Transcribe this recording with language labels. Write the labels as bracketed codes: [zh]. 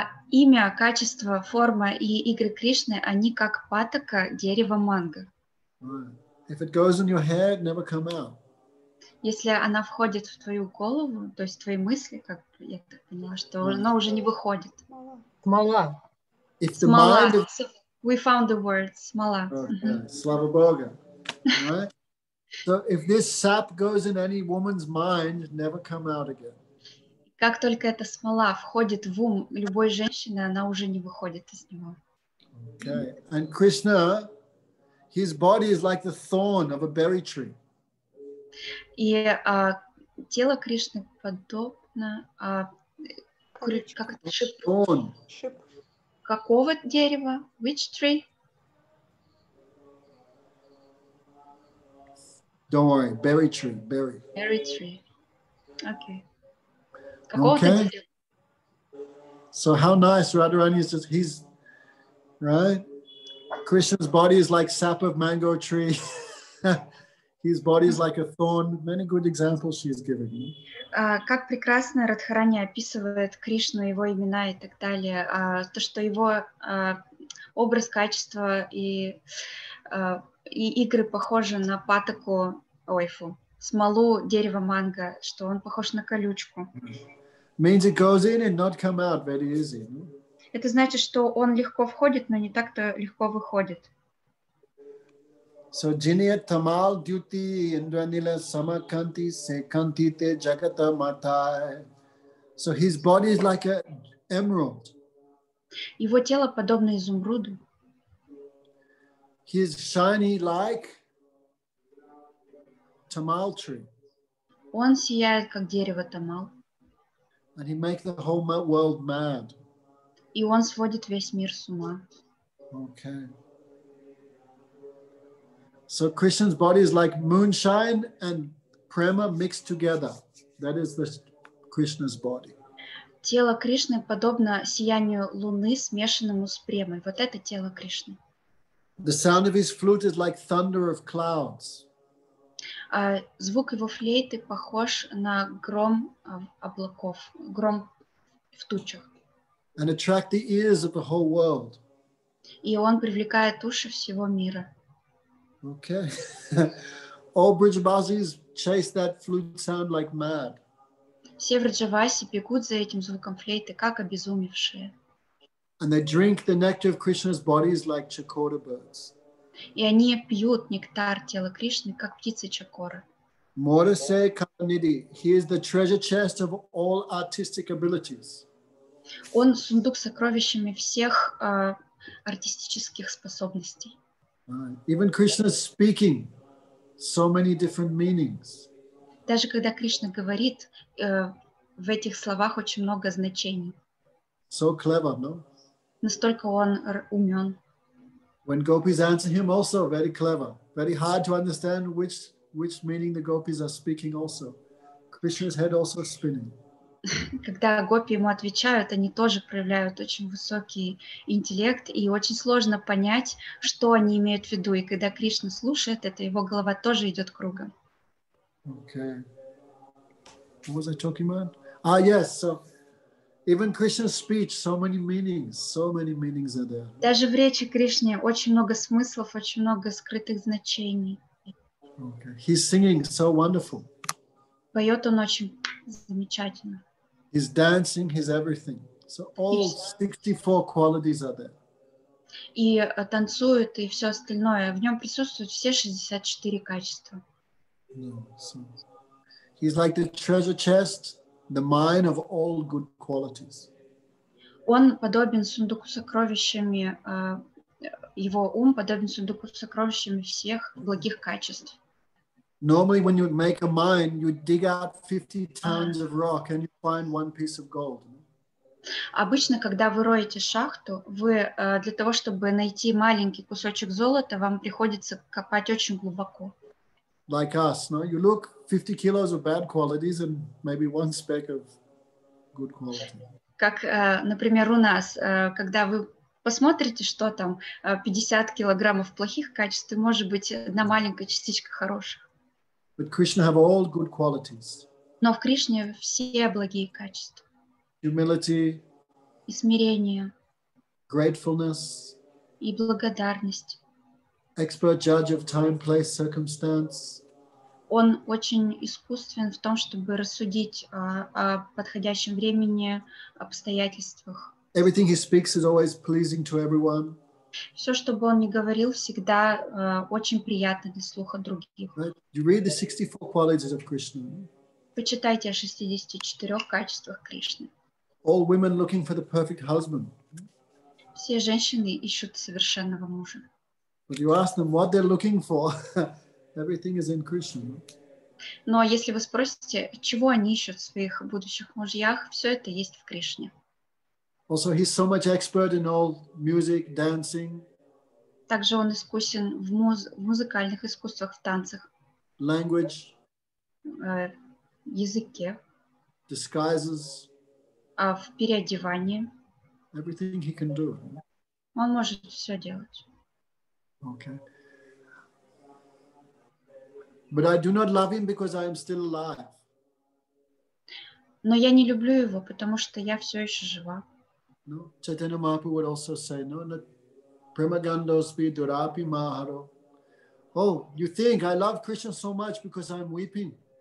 [ru] Имя, качество, форма и игры Кришны, они как патока дерева манго. [en] Right. If it goes in your head, never come out. [ru] Если она входит в твою голову, то есть в твои мысли, как я так поняла, что она уже не выходит. Смола. [en] If the смола. Mind is... We found the word. Смола. [ru] Слава Богу. [en] So if this sap goes in any woman's mind, never come out again. [ru] Как только эта смола входит в ум любой женщины, она уже не выходит из него. [en] Okay. And Krishna, his body is like the thorn of a berry tree. [ru] И тело Кришны подобно как это, шипу. Шип. Какого дерева? [en] Which tree? Don't worry, berry tree, berry. Berry tree. Okay. [ru] Какого [en] okay. [ru] Дерева? [en] So how nice Radharani is just he's right. Krishna's body is like sap of mango tree. His body is like a thorn. Many good examples she is giving. [ru] Как прекрасно Радхарани описывает Кришну, его имена и так далее. То, что его образ, качество и игры похожи на патоку, смолу дерева манго, что он похож на колючку. [en] Means it goes in and not come out very easy. [ru] Это значит, что он легко входит, но не так-то легко выходит. [sa] So Jinya Tamal Duty Indranila Samakanti Sekanti Te Jagata Matai. [en] So his body is like an emerald. [ru] Его тело подобно изумруду. [en] He is shiny like tamal tree. [ru] Он сияет как дерево тамал. [en] And he makes the whole world mad. [ru] И он сводит весь мир с ума. [en] Okay. So Krishna's body is like moonshine and prema mixed together. That is the Krishna's body. [ru] Тело Кришны подобно сиянию луны, смешанному с премой. Вот это тело Кришны. [en] The sound of his flute is like thunder of clouds. [ru] Звук его флейты похож на гром облаков, гром в тучах. [en] and attract the ears of the whole world. [ru] И он привлекает уши всего мира. [en] Okay. All Brijabasis chase that flute sound like mad. [ru] Все Вриджаваси бегут за этим звуком флейты, как обезумевшие. [en] And they drink the nectar of Krishna's bodies like Chakora birds. [ru] И они пьют нектар тела Кришны, как птицы Чакора. [en] Morise Kanidhi, he is the treasure chest of all artistic abilities. [ru] Он сундук с сокровищами всех артистических способностей. [en] Even Krishna speaking so many different meanings. [ru] Даже когда Кришна говорит, в этих словах очень много значений. [en] So clever, no? [ru] Настолько он умен. [en] When gopis answer him also, very clever. Very hard to understand which meaning the gopis are speaking also. Krishna's head also spinning. [ru] Когда гопи ему отвечают, они тоже проявляют очень высокий интеллект, и очень сложно понять, что они имеют в виду. И когда Кришна слушает это, его голова тоже идет кругом. [en] Okay. What was I talking about? Ah, yes, so even Krishna's speech, so many meanings are there. [ru] Даже в речи Кришны очень много смыслов, очень много скрытых значений. [en] Okay. He's singing so wonderful. [ru] Поет он очень замечательно. [en] He's dancing, he's everything. So all 64 qualities are there. [ru] И танцует, и все остальное. В нем присутствуют все 64 качества. [en] No, so he's like the treasure chest, the mine of all good qualities. [ru] Он подобен сундуку с сокровищами, его ум подобен сундуку с сокровищами всех благих качеств. [en] Normally, when you make a mine, you dig out 50 tons of rock and you find one piece of gold. [ru] Обычно, когда вы роете шахту, вы для того, чтобы найти маленький кусочек золота, вам приходится копать очень глубоко. [en] Like us, no? You look 50 kilos of bad qualities and maybe one speck of good quality. [ru] Как, например, у нас, когда вы посмотрите, что там 50 килограммов плохих качеств, может быть, одна маленькая частичка хороших. [en] But Krishna have all good qualities. [ru] Но в Кришне все благие качества. [en] Humility. [ru] И смирение. [en] Gratefulness. [ru] И благодарность. [en] Expert judge of time, place, circumstance. [ru] Он очень искусствен в том, чтобы рассудить о подходящем времени, обстоятельствах. [en] Everything he speaks is always pleasing to everyone. [ru] Все, что бы он ни говорил, всегда очень приятно для слуха других. [en] You read the 64 qualities of Krishna. [ru] Почитайте о 64 качествах Кришны. [en] All women looking for the perfect husband. [ru] Все женщины ищут совершенного мужа. [en] But you ask them what they're looking for. Everything is in Krishna. [ru] Но если вы спросите, чего они ищут в своих будущих мужьях, все это есть в Кришне. [en] Also, he's so much expert in all music, dancing. [ru] Также он искусен в музыкальных искусствах, в танцах. [en] Language. [ru] Языке. [en] Disguises. [ru] В переодевании. [en] Everything he can do. [ru] Он может все делать. [en] Okay. But I do not love him because I am still alive. [ru] Но я не люблю его, потому что я все еще жива. [en] No, Chaitanya Mahaprabhu would also say, no, that [sa] Premagando spi durapi maharo. [en] Oh, you think I love Krishna so much because I'm weeping?